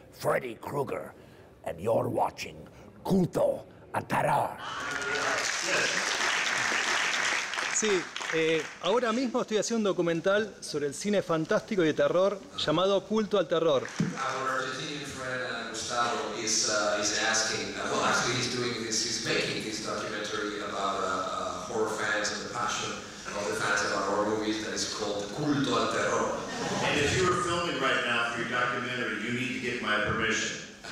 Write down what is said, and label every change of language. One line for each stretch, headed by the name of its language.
English: Freddy Krueger, and you're watching Culto a Terror.
Spanish: Sí, ahora mismo estoy haciendo un documental sobre el cine fantástico y de terror llamado Culto al Terror.
English: Our Argentinian friend Gustavo is asking, well, actually he's doing this, he's making this documentary about horror fans and the passion of the fans of our horror movies that is called Culto al Terror. And if you're filming right now for your documentary, you need to get my permission.